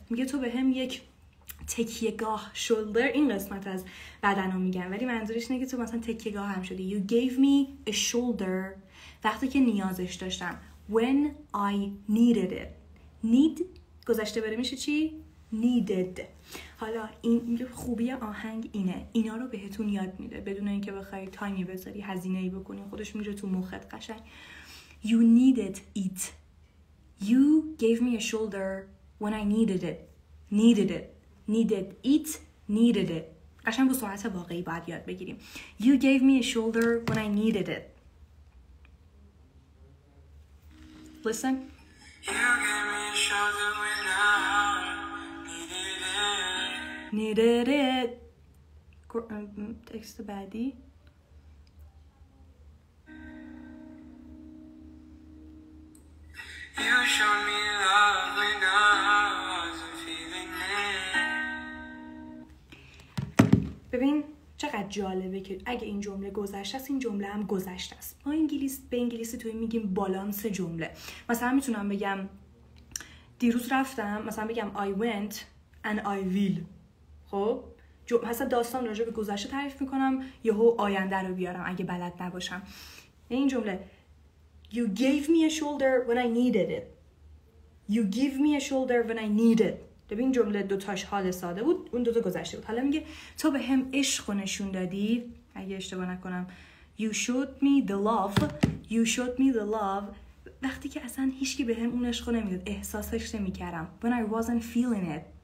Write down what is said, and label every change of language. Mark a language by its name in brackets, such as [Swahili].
[Persian] میگه تو بهم یک تکیه گاه، شولدر این قسمت از بدنو میگن، ولی منظورش اینه که تو مثلا تکیه گاه هم شدی. [English] You gave me a shoulder [Persian] وقتی که نیازش داشتم. [English] When I needed it. [Persian] Need گذشته بره میشه چی؟ needed. حالا این خوبی آهنگ اینه، اینا رو بهتون یاد میده بدون اینکه بخوای تایمی بذاری، هزینه ای بکنی، خودش میره تو مخت قشنگ. [English] You needed it. You gave me a shoulder when I needed it. Needed it. Needed it. Needed it. [Persian] قشنگ با سرعت واقعی باید یاد بگیریم. [English] You gave me a shoulder when I needed it. Listen. You gave me a shoulder when I needed it. Text the baddie. You showed me love when I wasn't feeling it. [Persian] Bebin. چقدر جالبه که اگه این جمله گذشته است، این جمله هم گذشته است. ما به انگلیسی توی میگیم بالانس جمله. مثلا میتونم بگم دیروز رفتم، مثلا بگم [English] I went and I will. [Persian] خب حسا داستان راجع به گذشته تعریف میکنم، یهو آینده رو بیارم اگه بلد نباشم. این جمله [English] You gave me a shoulder when I needed it. You give me a shoulder when I need it. [Persian] ببین جمله دوتاش حال ساده بود، اون دوتا گذشته بود. حالا میگه تو به هم عشق نشون دادی، اگه اشتباه نکنم [English] You showed me the love. You showed me the love [Persian] وقتی که اصلا هیچکی به هم اون عشق نمیداد، احساسش نمیکردم. [English] When I wasn't feeling it.